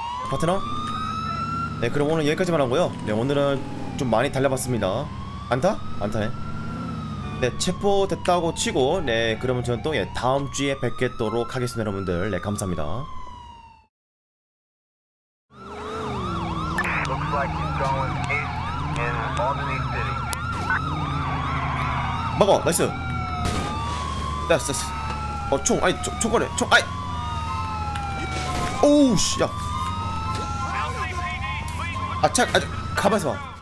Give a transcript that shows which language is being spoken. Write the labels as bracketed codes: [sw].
[ko] 파트너? 네, 그럼 오늘 여기까지만 하고요. 네, 오늘은 좀 많이 달려봤습니다. 안타? 안타네. 네, 체포됐다고 치고. 네, 그러면 저는 또 예, 다음 주에 뵙겠도록 하겠습니다, 여러분들. 네, 감사합니다. [en] Looks like he's going east in Albany City. [ko] 막아, 나이스. 나이스. 어, 총, 아니, 총, 총거래, 총, 아이. 오우, 씨, 야. 아, 차, 아, 가만있어 봐.